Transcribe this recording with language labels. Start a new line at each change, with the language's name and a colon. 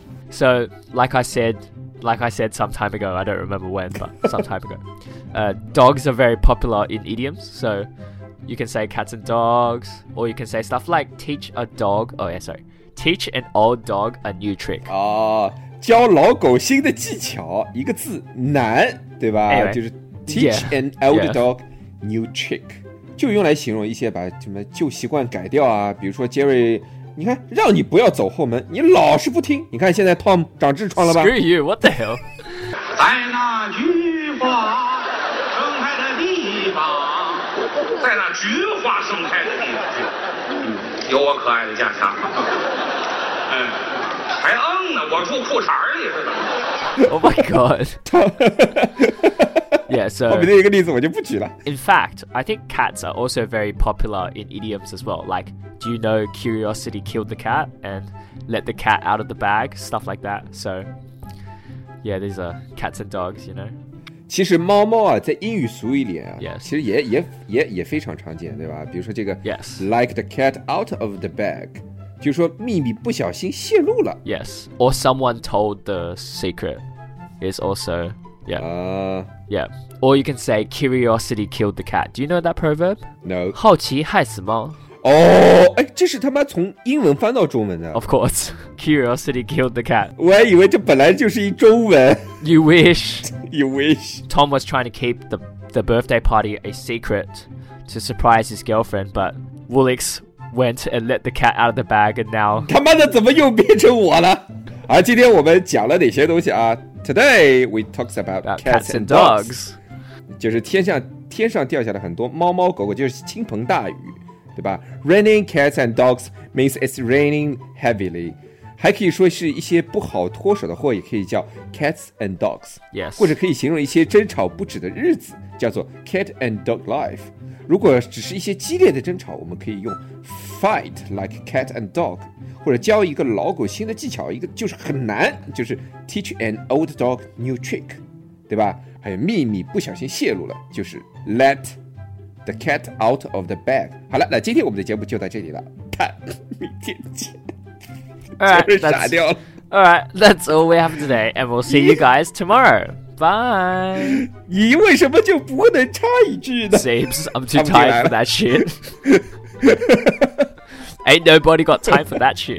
English: So, like I said some time ago, I don't remember when, but some time ago, dogs are very popular in idioms. So, you can say cats and dogs, or you can say stuff like teach a dog. Oh yeah, sorry, teach an old dog a new trick.
Chinese: 哦，教老狗新的技巧，一个字难，对吧？
English: Anyway,
Chinese: 就是
English: teach yeah, an old yeah. dog new trick.
Chinese: 就用来形容一些把什么旧习惯改掉啊，比如说 Jerry， 你看让你不要走后门，你老是不听。你看现在 Tom 长痔疮了吧
English: ？Screw you! What the hell？
Chinese: 在那菊花盛开的地方，在那菊花盛开的地方，有我可爱的家乡。哎，还嗯呢，我住裤衩里是吧 ？
English: Oh my God！Tom Yeah, so
Chinese: 后面那个例子我就不举了。
English: In fact, I think cats are also very popular in idioms as well. Like, do you know curiosity killed the cat and let the cat out of the bag? Stuff like that. So, yeah, these are cats and dogs, you know.
Chinese: 其实猫猫啊，在英语俗语里啊，
English: yes.
Chinese: 其实也非常常见，对吧？比如说这个
English: ，Yes, like the cat out of the bag，
Chinese: 就是说秘密不小心泄露了。
English: Yes, or someone told the secret is also. Yeah. Yeah. Or you can say curiosity killed the cat. Do you know that proverb? No.
Chinese: 好奇害死猫。哦，哎，这是他妈从英文翻到中文的。
English: Of course, curiosity killed the cat.
Chinese: 我还以为这本来就是一中文。
English: You wish. You wish. Tom was trying to keep the birthday party a secret to surprise his girlfriend, but Woolix went and let the cat out of the bag, and now
Chinese: 他妈的怎么又变成我了？啊，今天我们讲了哪些东西啊？
English: Today we talks about cats and dogs.
Chinese: 就是天上掉下的很多猫猫狗狗，就是倾盆大雨，对吧？
English: Raining cats and dogs means it's raining heavily.
Chinese: 还可以说是一些不好脱手的货，也可以叫
English: cats and dogs. Yes.
Chinese: 或者可以形容一些争吵不止的日子，叫做
English: cat and dog life.
Chinese: 如果只是一些激烈的争吵，我们可以用
English: fight like cat and dog.
Chinese: 或者教一个老狗新的技巧，一个就是很难，就是
English: teach an old dog new trick，
Chinese: 对吧？还有秘密不小心泄露了，就是
English: let the cat out of the bag。
Chinese: 好了，那今天我们的节目就到这里了，看明天见。
English: All right,
Chinese: 傻掉了。
English: All right, that's all we have today, and we'll see you guys tomorrow. Bye.
Chinese: 你为什么就不能插一句呢
English: ？Seems I'm too tired for that shit. Ain't nobody got time for that shit.